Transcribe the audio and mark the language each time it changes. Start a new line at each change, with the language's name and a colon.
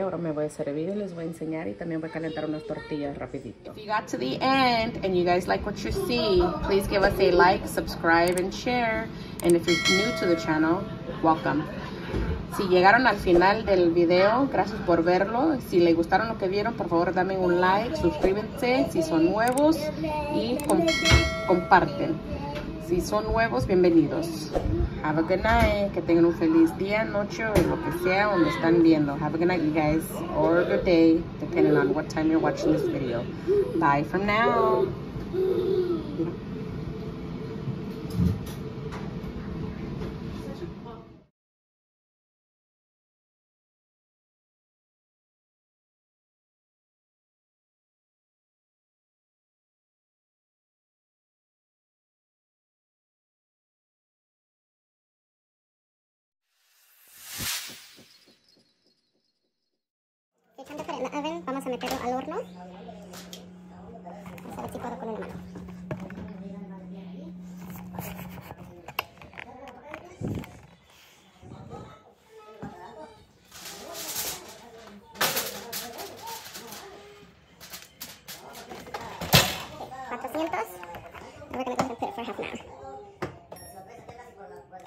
Spanish: Ahora me voy a servir y les voy a enseñar y también voy a calentar unas tortillas rapidito.
English: If you got to the end and you guys like what you see, please give us a like, subscribe, and share. And if you're new to the channel, welcome.
Spanish: Si llegaron al final del video, gracias por verlo. Si les gustaron lo que vieron, por favor, dame un like, suscríbanse si son nuevos y comparten. Si son nuevos, bienvenidos. Have a good night. Que tengan un feliz día, noche, o lo que sea, donde están viendo.
English: Have a good night, you guys, or a good day, depending on what time you're watching this video. Bye for now.
Spanish: Echando por el oven, vamos a meterlo al horno. Vamos a ver si puedo con una mano.
English: $400. And we're going to go ahead and put it for half an hour.